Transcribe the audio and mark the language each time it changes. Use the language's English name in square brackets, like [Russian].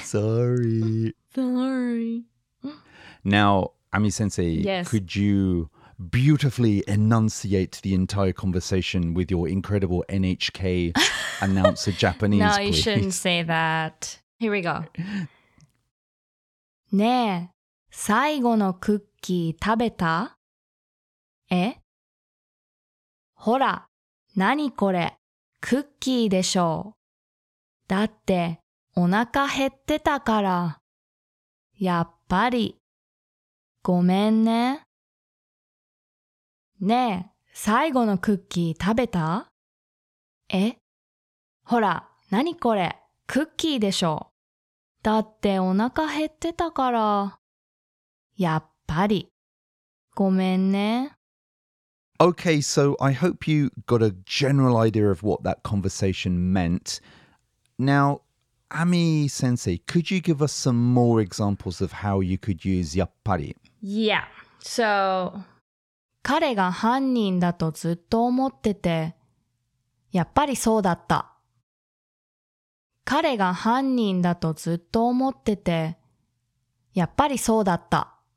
[English] Sorry. Sorry. Now, Ami-sensei,、 yes. could you beautifully enunciate the entire conversation with your incredible NHK announcer Japanese, No, you shouldn't say that. Here we go. [Japanese] ねえ、最後のクッキー食べた？え？ほら、何これ、クッキーでしょう。だって、お腹減ってたから。やっぱり。ごめんね。ねえ、最後のクッキー食べた？え？ほら、何これ、クッキーでしょう。だってお腹減ってたから。やっぱり。ごめんね。 [English] Okay, so I hope you got a general idea of what that conversation meant. Now, Ami-sensei, could you give us some more examples of how you could use yappari? Yeah, so... [Japanese] 彼が犯人だとずっと思ってて、やっぱりそうだった。彼が犯人だとずっと思ってて、やっぱりそうだった。